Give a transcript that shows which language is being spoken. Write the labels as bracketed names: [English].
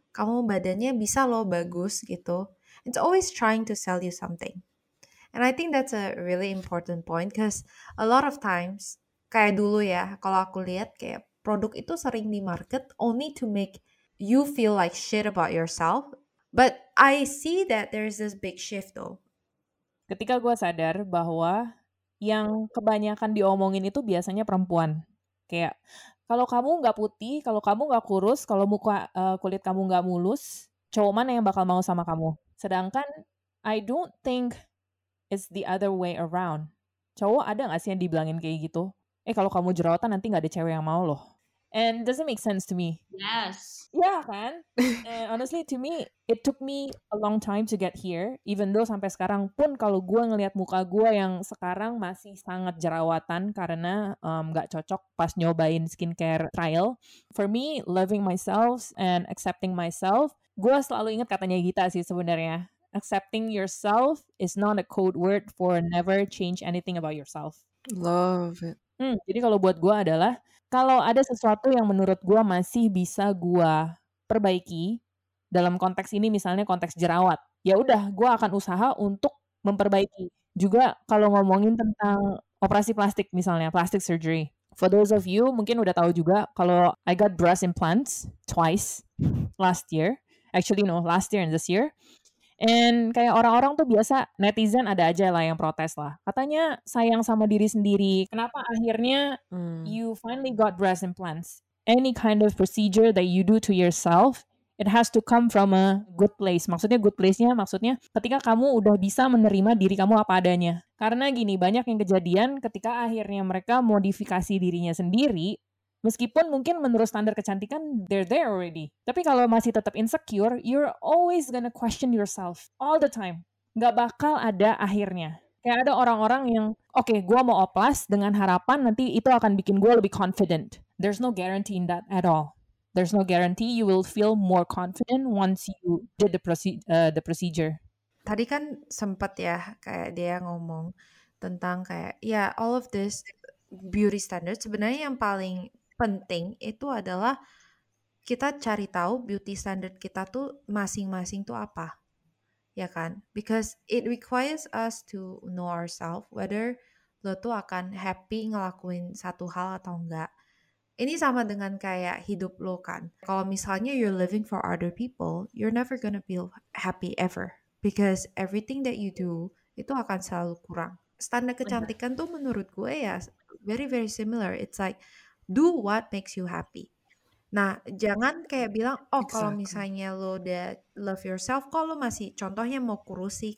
[Indonesian] Kamu badannya bisa loh bagus gitu. [English] It's always trying to sell you something. And I think that's a really important point because a lot of times, [Indonesian] kayak dulu ya, kalau aku lihat kayak produk itu sering di market [English] only to make you feel like shit about yourself. But I see that there's this big shift though. [Indonesian] Ketika gue sadar bahwa yang kebanyakan diomongin itu biasanya perempuan. Kayak, kalau kamu nggak putih, kalau kamu nggak kurus, kalau muka kulit kamu nggak mulus, cowok mana yang bakal mau sama kamu? [English] Sedangkan, I don't think it's the other way around. [Indonesian] Cowok ada nggak sih yang dibilangin kayak gitu? Eh, kalau kamu jerawatan nanti nggak ada cewek yang mau loh. [English] And doesn't make sense to me. Yes. Yeah, kan? And honestly, to me, it took me a long time to get here. Even though [Indonesian] sampai sekarang pun kalau gue ngelihat muka gue yang sekarang masih sangat jerawatan karena gak cocok pas nyobain skincare trial. [English] For me, loving myself and accepting myself, [Indonesian] gue selalu ingat katanya Gita sih sebenarnya. [English] Accepting yourself is not a code word for never change anything about yourself. Love it. [Indonesian] Jadi kalau buat gue adalah, kalau ada sesuatu yang menurut gue masih bisa gue perbaiki dalam konteks ini, misalnya konteks jerawat, ya udah gue akan usaha untuk memperbaiki. Juga kalau ngomongin tentang operasi plastik misalnya, [English] plastic surgery. For those of you [Indonesian] mungkin udah tahu juga, kalau [English] I got breast implants twice last year. Actually no, last year and this year. [Indonesian] And kayak orang-orang tuh biasa, netizen ada aja lah yang protes lah. Katanya sayang sama diri sendiri. Kenapa akhirnya [English] you finally got breast implants? Any kind of procedure that you do to yourself, it has to come from a good place. [Indonesian] Maksudnya good place-nya, maksudnya ketika kamu udah bisa menerima diri kamu apa adanya. Karena gini, banyak yang kejadian ketika akhirnya mereka modifikasi dirinya sendiri, meskipun mungkin menurut standar kecantikan, [English] they're there already. [Indonesian] Tapi kalau masih tetap insecure, [English] you're always gonna question yourself. All the time. [Indonesian] Nggak bakal ada akhirnya. Kayak ada orang-orang yang, oke, gue mau oplas dengan harapan nanti itu akan bikin gue lebih confident. [English] There's no guarantee in that at all. There's no guarantee you will feel more confident once you did the procedure. [Indonesian] Tadi kan sempat ya, kayak dia ngomong tentang kayak, ya, yeah, [English] all of this beauty standard [Indonesian] sebenarnya yang paling penting itu adalah kita cari tahu beauty standard kita tuh masing-masing tuh apa, ya kan? [English] Because it requires us to know ourselves, whether [Indonesian] lo tuh akan happy ngelakuin satu hal atau enggak. Ini sama dengan kayak hidup lo kan. Kalau misalnya [English] you're living for other people, you're never gonna feel happy ever. Because everything that you do [Indonesian] itu akan selalu kurang. Standar kecantikan tuh menurut gue ya [English] very very similar. It's like, do what makes you happy. [Indonesian] Nah, jangan kayak bilang, oh exactly, kalau misalnya lo udah love yourself, kok lo masih contohnya mau kurus sih?